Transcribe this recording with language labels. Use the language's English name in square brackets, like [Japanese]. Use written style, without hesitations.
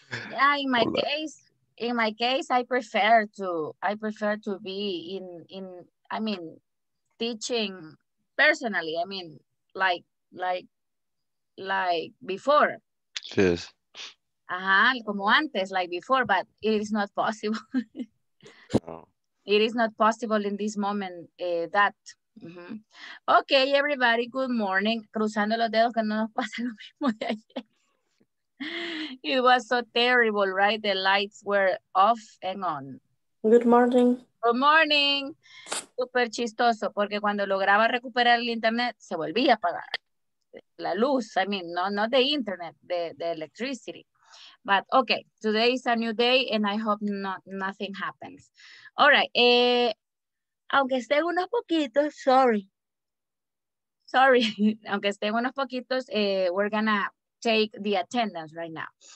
[English] Yeah, in my case, I prefer to be in teaching personally. I mean, like before. Yes. Uh-huh, [Spanish] como antes, [English] like before, but it is not possible. It is not possible in this moment that. Mm-hmm. Okay, everybody, good morning. [Spanish] Cruzando los dedos que no nos pase lo mismo de ayer. [English] It was so terrible, right? The lights were off and on. Good morning. Good morning. [Spanish] Super chistoso, porque cuando lograba recuperar el internet, se volvía a apagar. La luz, [English] I mean, not the internet, the electricity. But okay, today is a new day and I hope nothing happens. All right. [Spanish] Aunque estén unos poquitos, sorry. Aunque estén unos poquitos, [English] we're gonna take the attendance right now.